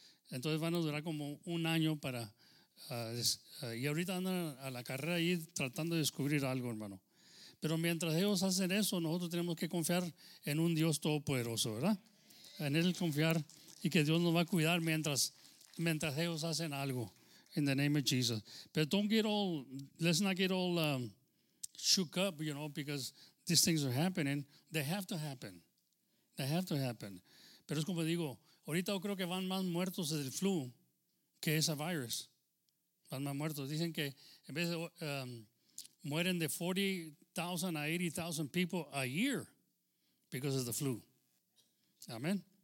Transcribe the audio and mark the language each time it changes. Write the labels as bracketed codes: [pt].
[es] Entonces van a durar como un año para... y ahorita andan a la carrera ahí tratando de descubrir algo, hermano. Pero mientras ellos hacen eso, nosotros tenemos que confiar en un Dios todopoderoso, ¿verdad? En Él confiar y que Dios nos va a cuidar mientras ellos hacen algo. [en] In the name of Jesus. But don't get all, let's not get all shook up, you know, because these things are happening. They have to happen. They have to happen. [es] Pero es como digo, ahorita yo creo que van más muertos del flu que ese virus. Van más muertos. Dicen que en vez de mueren de 40,000 a 80,000 [en] people a year because of the flu. [es] Amen.